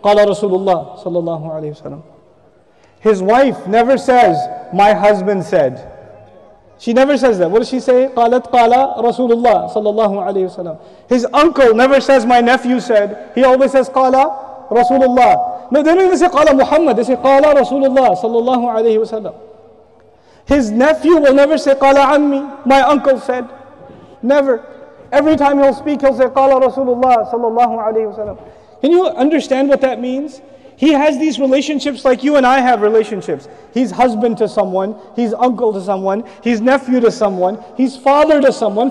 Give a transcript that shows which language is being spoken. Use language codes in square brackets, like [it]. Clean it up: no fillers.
[ar] Qala Rasulullah sallallahu alayhi wa sallam. [en] His wife never says, my husband said. She never says that. What does she say? [ar] قَالَتْ قَالَ رَسُولُ اللَّهِ صَلَّى اللَّهُ عَلَيْهِ وَسَلَّمُ. [en] His uncle never says, my nephew said. He always says, [ar] قَالَ رَسُولُ اللَّهِ. [en] No, they don't even say, [ar] قَالَ مُحَمَّدِ. [en] They say, [ar] قَالَ رَسُولُ اللَّهِ صَلَّى اللَّهُ عَلَيْهِ وَسَلَّمُ. [en] His nephew will never say, [ar] قَالَ عَمِّي. [en] My uncle said. Never. Every time he'll speak, he'll say, [ar] قَالَ رَسُولُ اللَّهِ صَلَّى اللَّهُ عَلَيْهِ وَسَلَّمُ. [en] Can you understand what that means? He has these relationships like you and I have relationships. He's husband to someone, he's uncle to someone, he's nephew to someone, he's father to someone.